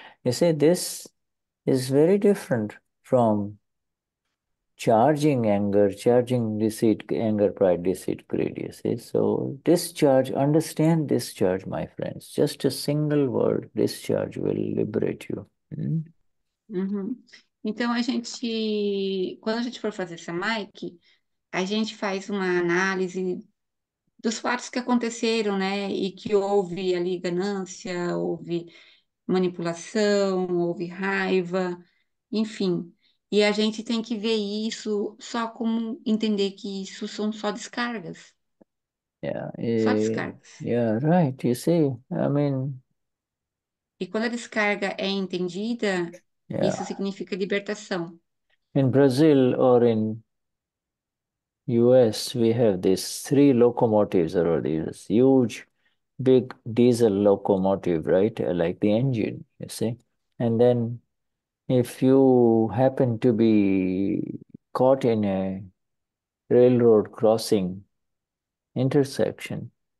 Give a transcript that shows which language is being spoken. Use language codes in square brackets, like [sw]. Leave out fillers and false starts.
[en] You see, this is very different from charging anger, charging deceit, anger, pride, deceit, greed, you see. So discharge, understand discharge, my friends. Just a single word, discharge, will liberate you. [pt] Então, quando a gente for fazer Samaiki, a gente faz uma análise dos fatos que aconteceram, né? E que houve ali ganância, houve manipulação, houve raiva, enfim. E a gente tem que ver isso só como entender que isso são só descargas. Só descargas. [en] Yeah, right, you see, I mean, [pt] E quando a descarga é entendida, isso significa libertação. [en] In Brazil or in US, we have these three locomotives, or this huge, big diesel locomotive, right, like the engine, you see, and then if you happen to be caught in a railroad crossing intersection,